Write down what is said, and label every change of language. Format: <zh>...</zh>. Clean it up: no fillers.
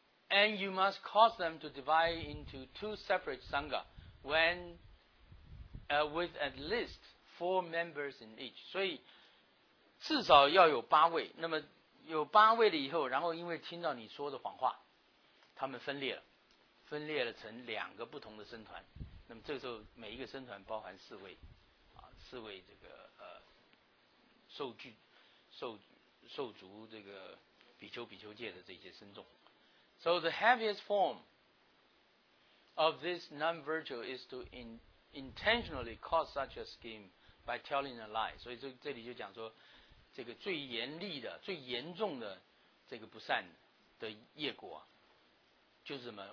<en>And you must cause them to divide into two separate sangha when, with at least four members in each.</en> <zh>所以至少要有八位，那么有八位了以后，然后因为听到你说的谎话，他们分裂了，分裂了成两个不同的僧团。那么这个时候每一个僧团包含四位，啊，四位这个受足这个比丘戒的这些僧众。</zh> <en>So the heaviest form of this non-virtue is to intentionally cause such a scheme by telling a lie.</en> <zh>所以这里就讲说，这个最严厉的、最严重的这个不善的业果，就是什么？</zh>